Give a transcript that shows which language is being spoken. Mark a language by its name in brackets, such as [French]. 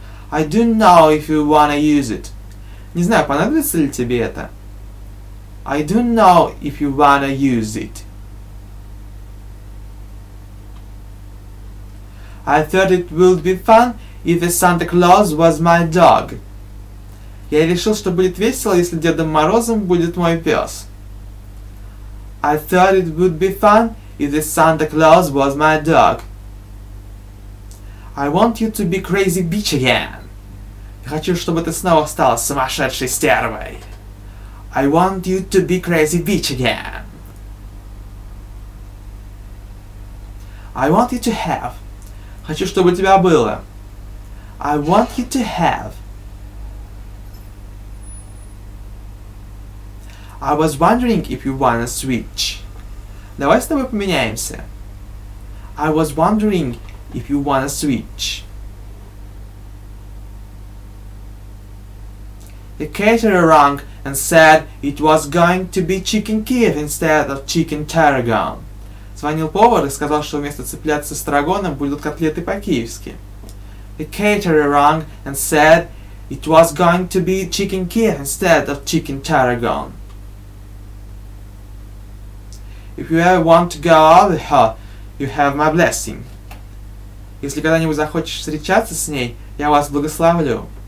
[English] I don't know if you want to use it. [Russian] Не знаю, понадобится ли тебе это. [English] I don't know if you want to use it. I thought it would be fun if Santa Claus was my dog. [Russian] Я решил, что будет весело, если Дедом Морозом будет мой пес. [English] I thought it would be fun if Santa Claus was my dog. I want you to be crazy bitch again. [Russian] Я хочу, чтобы ты снова стала сумасшедшей стервой. [English] I want you to be crazy bitch again. I want you to have. [Russian] Хочу, чтобы у тебя было. [English] I want you to have. I was wondering if you wanna switch. [Russian] Давай с тобой поменяемся. [English] I was wondering if you wanna switch. The caterer rang and said it was going to be chicken Kiev instead of chicken tarragon. [Russian] Звонил повар и сказал, что вместо цыплят с эстрагоном будут котлеты по-киевски. [English] The caterer rang and said it was going to be chicken Kiev instead of chicken tarragon. If you ever want to go out with her, you have my blessing. [Russian] Если когда-нибудь захочешь встречаться с ней, я вас благословлю.